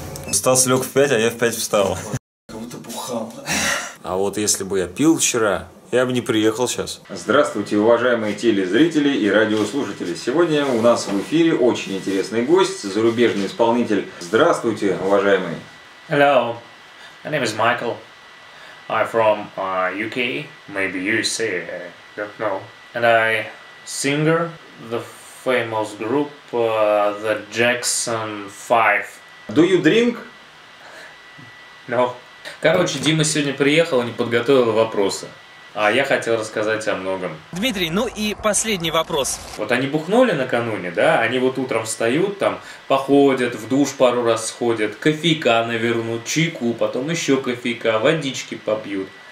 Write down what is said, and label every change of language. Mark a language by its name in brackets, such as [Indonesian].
[Russian] Стас лег в 5, а я в 5 встал. Как будто бухал. А вот если бы я пил вчера, я бы не приехал сейчас. Здравствуйте, уважаемые телезрители и радиослушатели. Сегодня у нас в эфире очень интересный гость, зарубежный исполнитель. Здравствуйте, уважаемый. [English] Hello, my name is Michael. I'm from UK, maybe USA, I don't know. And I singer the famous group The Jackson 5. Do you drink? No. [Russian] Короче, Дима сегодня приехал и не подготовил вопросы. А я хотел рассказать о многом. Дмитрий, ну и последний вопрос. Вот они бухнули накануне, да? Они вот утром встают, там, походят, в душ пару раз сходят, кофейка навернут, чайку, потом еще кофейка, водички попьют.